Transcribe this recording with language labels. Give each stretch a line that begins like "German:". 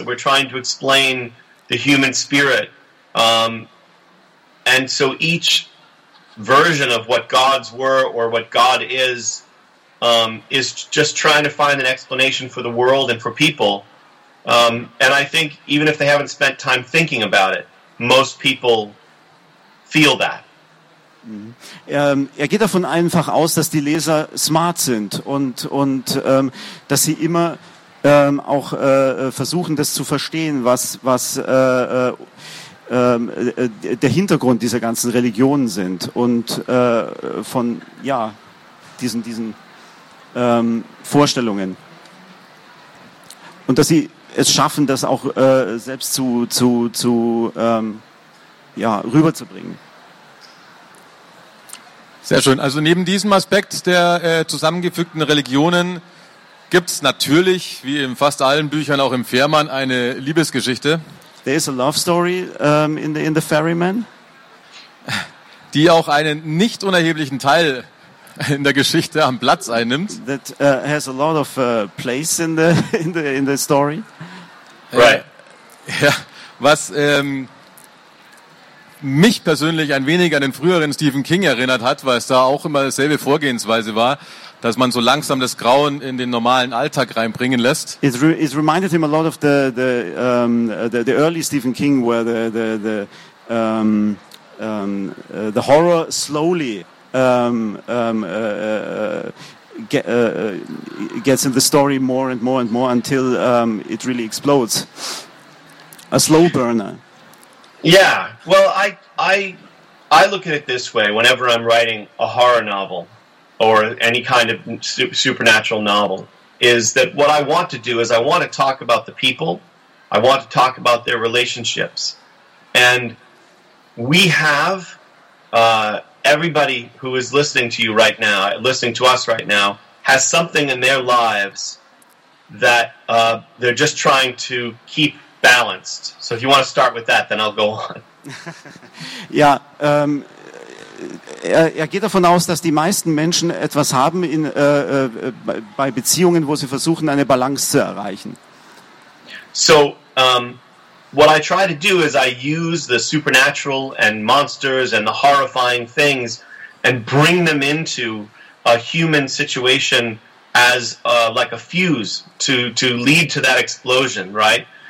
English: We're trying to explain the human spirit. And so each version of what gods were or what God is just trying to find an explanation for the world and for people. And I think even if they haven't spent time thinking about it, most people feel that.
German: Er geht davon einfach aus, dass die Leser smart sind und dass sie immer auch versuchen, das zu verstehen, was der Hintergrund dieser ganzen Religionen sind und von ja diesen Vorstellungen, und dass sie es schaffen, das auch selbst zu rüberzubringen. Sehr schön. Also neben diesem Aspekt der zusammengefügten Religionen gibt's natürlich, wie in fast allen Büchern, auch im Fährmann, eine Liebesgeschichte.
English: There is a love story in the Ferryman.
German: Die auch einen nicht unerheblichen Teil in der Geschichte am Platz einnimmt.
English: That has a lot of place in the story.
German: Right. Ja, was mich persönlich ein wenig an den früheren Stephen King erinnert hat, weil es da auch immer dieselbe Vorgehensweise war, dass man so langsam das Grauen in den normalen Alltag reinbringen lässt.
English: It reminded him a lot of the early Stephen King, where the horror slowly gets in the story more and more and more until it really explodes. a slow burner. Yeah. Well, I look at it this way. Whenever I'm writing a horror novel or any kind of supernatural novel, is that what I want to do is I want to talk about the people. I want to talk about their relationships. And we have, everybody who is listening to you right now, listening to us right now, has something in their lives that they're just trying to keep balanced. So if you want to start with that, then I'll go on.
German: Ja, er geht davon aus, dass die meisten Menschen etwas haben in bei Beziehungen, wo sie versuchen, eine Balance zu erreichen.
English: So, what I try to do is I use the supernatural and monsters and the horrifying things and bring them into a human situation as like a fuse to lead to that explosion, right?